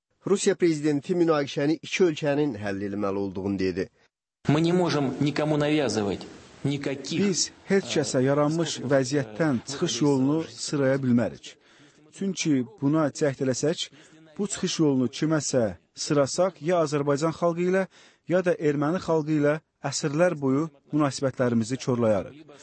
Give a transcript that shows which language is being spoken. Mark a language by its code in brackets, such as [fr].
[az] Rusiya prezidenti münaqişəni iki ölkənin həll edilməli olduğunu dedi. [ru] Мы не можем никому навязывать. [az] Biz heç kəsə yaranmış vəziyyətdən çıxış yolunu sıraya bilmərik. Çünki buna cəhd eləsək, bu çıxış yolunu kiməsə sırasaq, ya Azərbaycan xalqı ilə, ya da erməni xalqı ilə əsrlər boyu münasibətlərimizi çorlayarıq.